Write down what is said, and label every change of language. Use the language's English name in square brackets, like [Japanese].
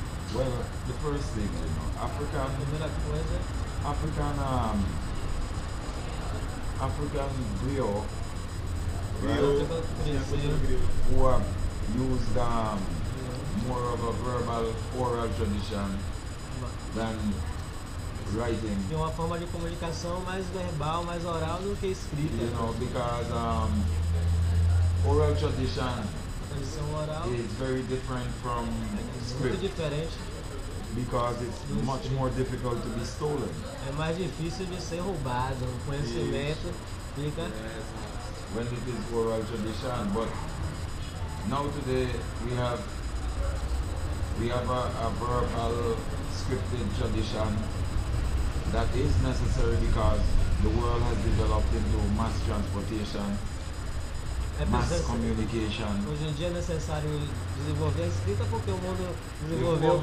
[English] Well, the first thing, African African griot. Right. Who have used more of a verbal oral tradition than writing. [Portuguese] De uma forma de comunicação mais verbal, mais oral do que escrita. [English] You know, because oral tradition is very different from script. [Portuguese] Muito diferente. [English] Because it's much more difficult to be stolen. [Portuguese] É mais difícil de ser roubado. O conhecimento fica. [English] When it is oral tradition, but now today we have a verbal scripted tradition that is necessary because the world has developed into mass transportation, mass communication. [Portuguese] Hoje em dia é necessário desenvolver a escrita porque o mundo desenvolveu